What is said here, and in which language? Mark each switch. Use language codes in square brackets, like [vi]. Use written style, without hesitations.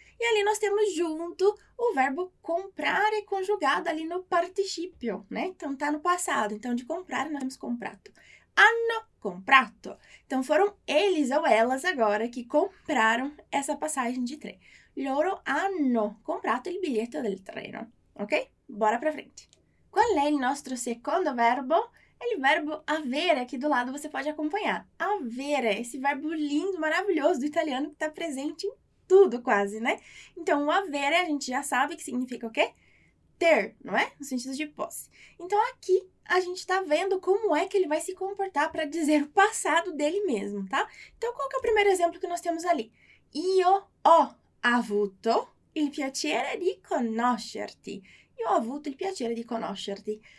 [pt] E ali nós temos junto o verbo comprare, conjugado ali no participio, né? Então, está no passado. Então, de comprare, nós temos comprato. [it] Hanno comprato. [pt] Então, foram eles ou elas agora que compraram essa passagem de trem. [it] Loro hanno comprato il biglietto del treno. Ok? [pt] Bora pra frente. [it] Qual è il nostro secondo verbo? È il verbo avere, [pt] aqui do lado você pode acompanhar. Avere, esse verbo lindo, maravilhoso do italiano que está presente em tudo quase, né? Então, o avere a gente já sabe que significa o quê? Ter, não é? No sentido de posse. Então, aqui a gente está vendo como é que ele vai se comportar para dizer o passado dele mesmo, tá? Então, qual que é o primeiro exemplo que nós temos ali? [it] Io ho avuto il piacere di conoscerti. Io ho avuto il piacere di conoscerti.